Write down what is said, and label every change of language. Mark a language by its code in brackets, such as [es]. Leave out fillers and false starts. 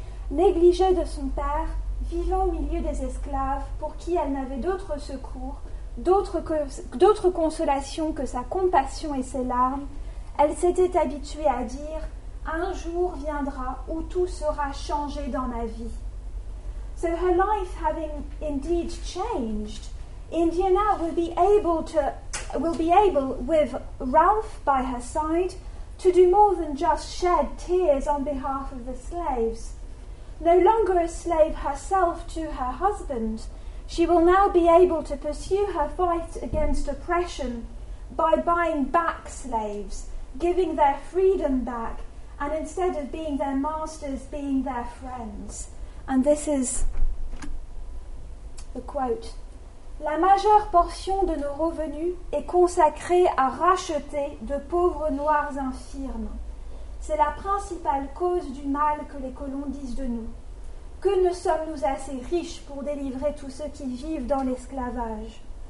[fr] Négligé de son père, vivant au milieu des esclaves, pour qui elle n'avait d'autre secours, d'autre consolation que sa compassion et ses larmes, elle s'était habituée à dire « Un jour viendra où tout sera changé dans ma vie ». [en] So her life having indeed changed, Indiana will be able, with Ralph by her side, to do more than just shed tears on behalf of the slaves. No longer a slave herself to her husband, she will now be able to pursue her fight against oppression by buying back slaves, giving their freedom back, and instead of being their masters, being their friends. And this is the quote. [fr] La majeure portion de nos revenus est consacrée à racheter de pauvres noirs infirmes. C'est la principale cause du mal que les colons disent de nous. Que ne sommes-nous assez riches pour délivrer tous ceux qui vivent dans l'esclavage?